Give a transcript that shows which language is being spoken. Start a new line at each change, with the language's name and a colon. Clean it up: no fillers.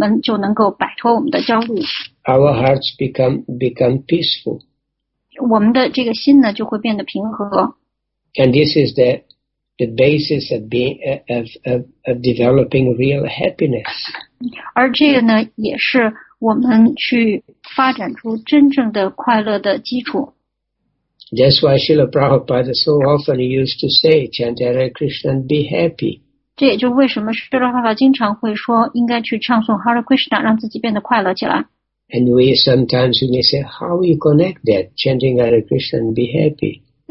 Chinese: 因为如果我们要是这么做了的话呢，我们就能够摆脱我们的焦虑。
English: Our hearts become peaceful.
Chinese: 我们的这个心呢就会变得平和。
English: And this is the basis of being of developing real happiness.
Chinese: 而这个呢也是我们去发展出真正的快乐的基础。
English: That's why Srila Prabhupada so often used to say, chant Hare Krishna and be happy.
Chinese: 这也就为什么释迦牟尼佛经常会说应该去唱诵 Hare Krishna 让自己变得快乐起来。
English: And we sometimes may say, how you connect that, chanting Hare Krishna and be happy?